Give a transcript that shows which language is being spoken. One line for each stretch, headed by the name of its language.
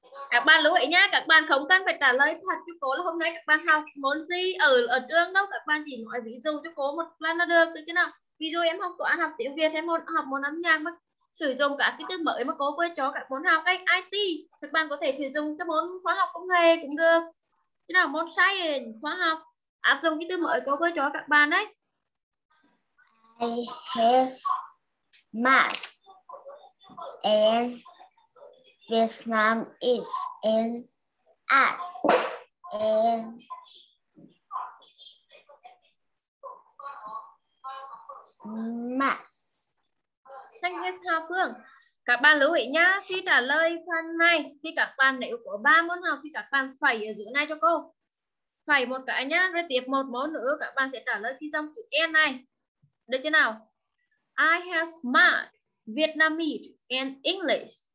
Vietnamese: Các bạn lưu ý nhá, các bạn không cần phải trả lời thật cho cô là hôm nay các bạn học môn gì ở trường đâu, các bạn chỉ nói ví dụ cho cô một lần là được chứ nào. Ví dụ em học toán, học tiếng Việt, em học môn âm nhạc mà sử dụng cả cái từ mới mà cô vừa cho các môn học cách IT, các bạn có thể sử dụng cái môn khoa học công nghệ cũng được. Chứ nào, môn science, khoa học áp dụng cái từ mới cô vừa cho các bạn đấy.
English: I have math and Vietnam is in us and math. Thank you, Hà Phương.
Vietnamese: Các bạn lưu ý nhá, khi trả lời phần này thì các bạn nếu có 3 môn học thì các bạn phải ở giữa này cho cô. Phải một cái nhá, rồi tiếp một môn nữa các bạn sẽ trả lời khi xong chữ N này. Được chưa nào?
English: I have math, Vietnamese and English.